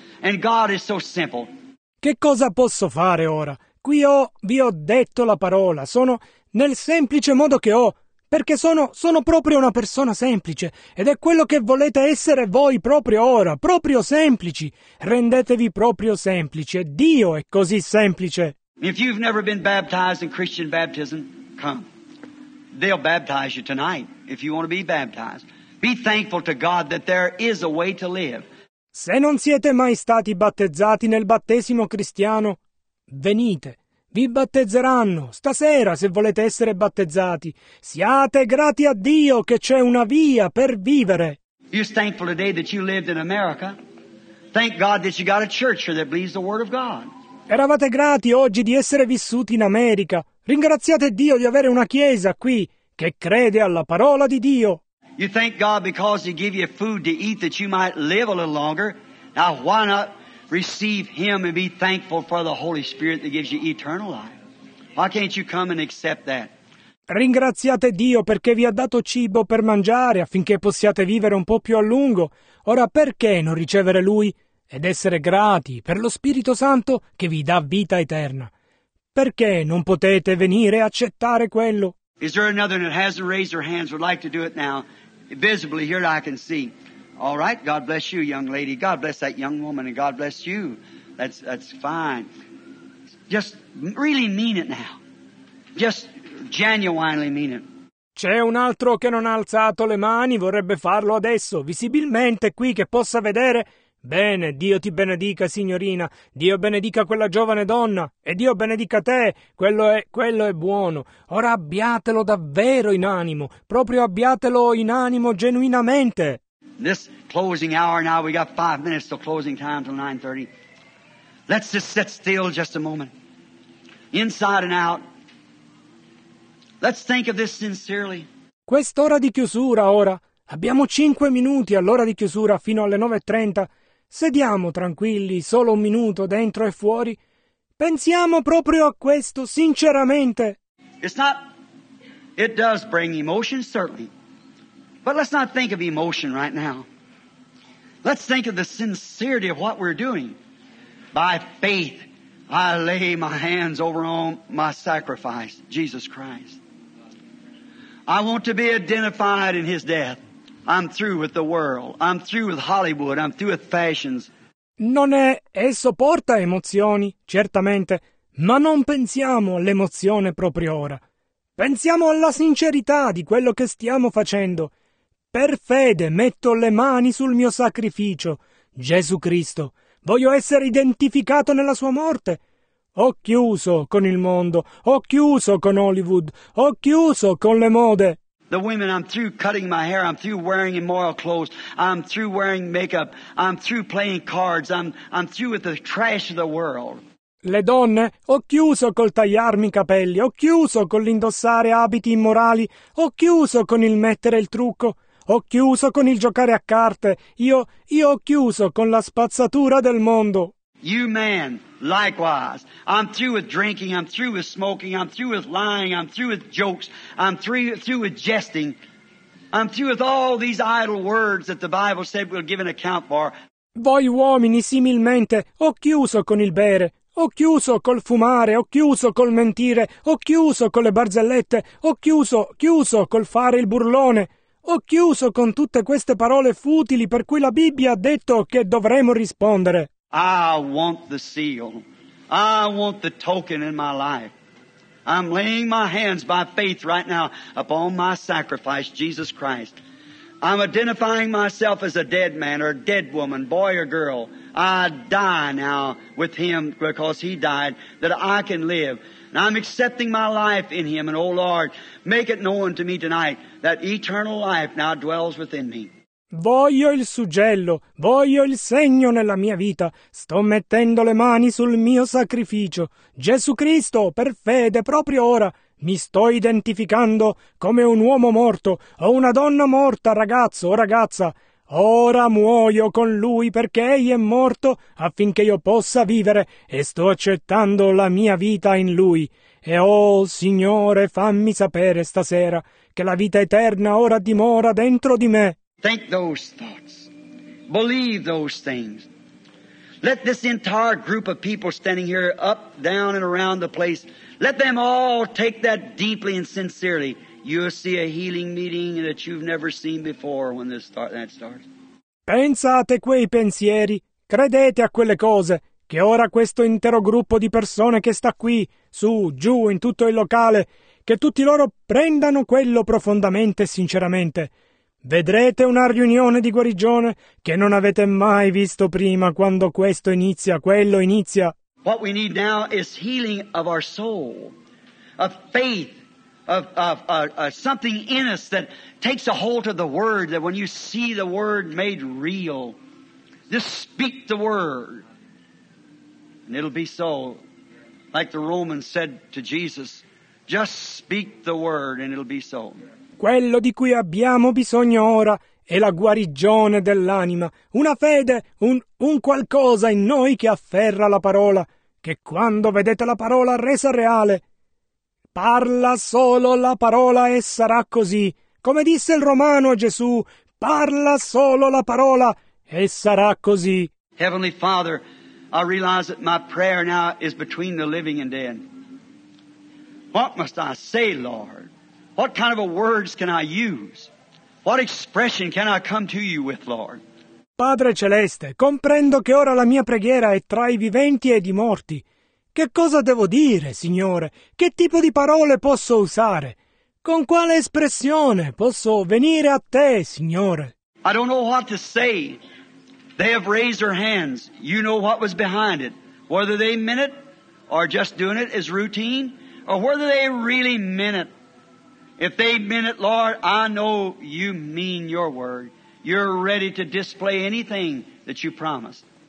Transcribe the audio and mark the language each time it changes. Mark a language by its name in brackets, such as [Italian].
[English] And God is so simple. [Italian] Che cosa posso fare ora? Qui vi ho detto la parola, sono nel semplice modo che ho, perché sono proprio una persona semplice, ed è quello che volete essere voi proprio ora, proprio semplici. Rendetevi proprio semplici, Dio è così semplice. [English] If you've never been baptized in Christian baptism, come. They'll baptize you tonight, if you want to be baptized. Be thankful to God that there is a way to live. [Italian] Se non siete mai stati battezzati nel battesimo cristiano, venite. Vi battezzeranno stasera se volete essere battezzati. Siate grati a Dio che c'è una via per vivere. [English] You're thankful today that you lived in America. Thank God that you got a church here that believes the word of God. [Italian] Eravate grati oggi di essere vissuti in America. Ringraziate Dio di avere una chiesa qui che crede alla parola di Dio. [English] You thank God because He gave you food to eat that you might live a little longer. Now why not receive Him and be thankful for the Holy Spirit that gives you eternal life? Why can't you come and accept that? [Italian] Ringraziate Dio perché vi ha dato cibo per mangiare affinché possiate vivere un po' più a lungo. Ora perché non ricevere Lui ed essere grati per lo Spirito Santo che vi dà vita eterna? Perché non potete venire a accettare quello? [English] Is there another that hasn't raised their hands would like to do it now? Visibly here I can see. All right, God bless you, young lady. God bless that young woman and God bless you. That's fine. Just really mean it now. Just genuinely mean it. [Italian] C'è un altro che non ha alzato le mani, vorrebbe farlo adesso, visibilmente qui che possa vedere. Bene, Dio ti benedica, signorina. Dio benedica quella giovane donna. E Dio benedica te. Quello è buono. Ora abbiatelo davvero in animo. Proprio abbiatelo in animo genuinamente. [English] This closing hour now, we got 5 minutes till closing time till 9:30. Let's just sit still just a moment. Inside and out. Let's think of this sincerely. [Italian] Quest'ora di chiusura ora. Abbiamo 5 minuti all'ora di chiusura fino alle 9:30. Sediamo tranquilli, solo un minuto, dentro e fuori. Pensiamo proprio a questo, sinceramente. [English] It's not, it does bring emotion, certainly. But let's not think of emotion right now. Let's think of the sincerity of what we're doing. By faith, I lay my hands over on my sacrifice, Jesus Christ. I want to be identified in His death. I'm through with the world. I'm through with Hollywood. I'm through with fashions. [Italian] Non è... Esso porta emozioni, certamente, ma non pensiamo all'emozione proprio ora. Pensiamo alla sincerità di quello che stiamo facendo. Per fede metto le mani sul mio sacrificio, Gesù Cristo. Voglio essere identificato nella sua morte. Ho chiuso con il mondo. Ho chiuso con Hollywood. Ho chiuso con le mode. [English] The women, I'm through cutting my hair, I'm through wearing immoral clothes, I'm through wearing makeup, I'm through playing cards, I'm through with the trash of the world. [Italian] Le donne, ho chiuso col tagliarmi i capelli, ho chiuso con l'indossare abiti immorali, ho chiuso con il mettere il trucco, ho chiuso con il giocare a carte, io ho chiuso con la spazzatura del mondo. [English] You man, likewise. I'm through with drinking, I'm through with smoking, I'm through with lying, I'm through with jokes, I'm through with jesting. I'm through with all these idle words that the Bible said we'll give an account for. [Italian] Voi uomini, similmente, ho chiuso con il bere, ho chiuso col fumare, ho chiuso col mentire, ho chiuso con le barzellette, ho chiuso col fare il burlone. Ho chiuso con tutte queste parole futili per cui la Bibbia ha detto che dovremo rispondere. [English] I want the seal. I want the token in my life. I'm laying my hands by faith right now upon my sacrifice, Jesus Christ. I'm identifying myself as a dead man or a dead woman, boy or girl. I die now with Him because He died that I can live. And I'm accepting my life in Him. And, oh Lord, make it known to me tonight that eternal life now dwells within me. [Italian] Voglio il suggello, voglio il segno nella mia vita. Sto mettendo le mani sul mio sacrificio. Gesù Cristo, per fede, proprio ora, mi sto identificando come un uomo morto o una donna morta, ragazzo o ragazza. Ora muoio con Lui perché Egli è morto affinché io possa vivere e sto accettando la mia vita in Lui. E oh, Signore, fammi sapere stasera che la vita eterna ora dimora dentro di me. [English] Think those thoughts. Believe those things. Let this entire group of people standing here up, down, and around the place, let them all take that deeply and sincerely. You'll see a healing meeting that you've never seen before when this starts. [Italian] Pensate quei pensieri, credete a quelle cose, che ora questo intero gruppo di persone che sta qui, su, giù, in tutto il locale, che tutti loro prendano quello profondamente e sinceramente. Vedrete una riunione di guarigione che non avete mai visto prima quando questo inizia, quello inizia. [English] What we need now is healing of our soul, of faith, of something in us that takes a hold of the Word, that when you see the Word made real, just speak the Word. And it'll be so, like the Roman said to Jesus, just speak the word and it'll be so. [Italian] Quello di cui abbiamo bisogno ora è la guarigione dell'anima, una fede, un qualcosa in noi che afferra la parola, che quando vedete la parola resa reale, parla solo la parola e sarà così. Come disse il Romano a Gesù, parla solo la parola e sarà così. [English] Heavenly Father, I realize that my prayer now is between the living and dead. What must I say, Lord? What kind of a words can I use? What expression can I come to you with, Lord? [Italian] Padre Celeste, comprendo che ora la mia preghiera è tra i viventi ed i morti. Che cosa devo dire, Signore? Che tipo di parole posso usare? Con quale espressione posso venire a te, Signore? [English] I don't know what to say. They have raised their hands. You know what was behind it. Whether they meant it or just doing it as routine, or whether they really meant it. If they meant it, Lord, I know you mean your word. You're ready to display anything that you promised.